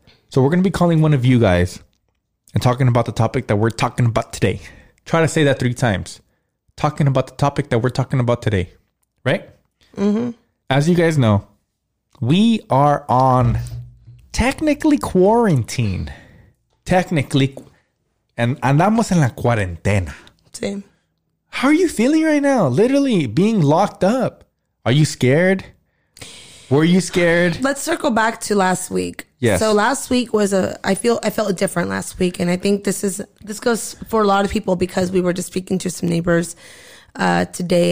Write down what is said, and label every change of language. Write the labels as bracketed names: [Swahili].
[English] So we're going to be calling one of you guys and talking about the topic that we're talking about today. Try to say that 3 times. Talking about the topic that we're talking about today, right? Mm-hmm. As you guys know, we are on technically quarantine. Technically. [Spanish] And andamos en la cuarentena. [English] Same. How are you feeling right now? Literally being locked up. Are you scared? Were you scared? Let's circle back to last week. Yes. So last week was I felt different last week. And I think this goes for a lot of people because we were just speaking to some neighbors today.